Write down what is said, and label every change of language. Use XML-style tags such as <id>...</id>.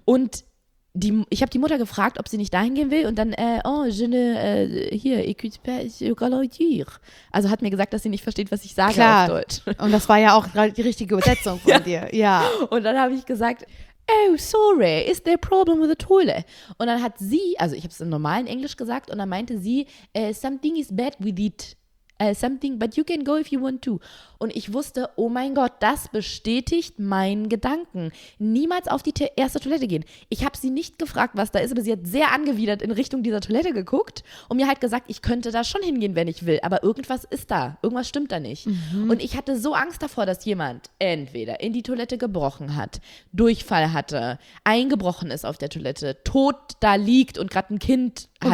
<de>Und ich habe die Mutter gefragt, ob sie nicht dahin gehen will. Und dann, also hat mir gesagt, dass sie nicht versteht, was ich sage auf Deutsch. Und das war ja auch die richtige Übersetzung von dir. Ja. Und dann habe ich gesagt,</de> <en>oh, sorry, is there a problem with the toilet?</en> <de>Und dann hat sie, also ich habe es im normalen Englisch gesagt, und dann meinte sie,</de> <en>something is bad with it. something, but you can go if you want to.</en> <de>Und ich wusste, oh mein Gott, das bestätigt meinen Gedanken. Niemals auf die erste Toilette gehen. Ich habe sie nicht gefragt, was da ist, aber sie hat sehr angewidert in Richtung dieser Toilette geguckt und mir halt gesagt, ich könnte da schon hingehen, wenn ich will, aber irgendwas ist da, irgendwas stimmt da nicht. Mhm. Und ich hatte so Angst davor, dass jemand entweder in die Toilette gebrochen hat, Durchfall hatte, eingebrochen ist auf der Toilette, tot da liegt und gerade ein Kind halt.</de>